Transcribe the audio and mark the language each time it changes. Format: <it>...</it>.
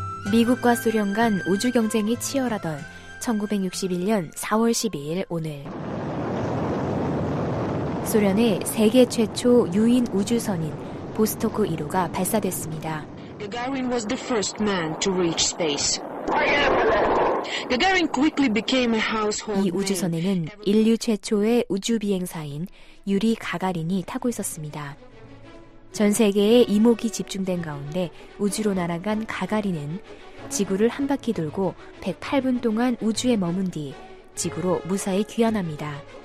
<ko>미국과 소련 간 우주 경쟁이 치열하던 1961년 4월 12일 오늘. 소련의 세계 최초 유인 우주선인 보스토크 1호가 발사됐습니다.</ko> <en>Gagarin was the first man to reach space. Gagarin quickly became a household.</en> <ko>이 우주선에는 인류 최초의 우주 비행사인 유리 가가린이 타고 있었습니다. 전 세계의 이목이 집중된 가운데 우주로 날아간 가가린은 지구를 한 바퀴 돌고 108분 동안 우주에 머문 뒤 지구로 무사히 귀환합니다.</ko>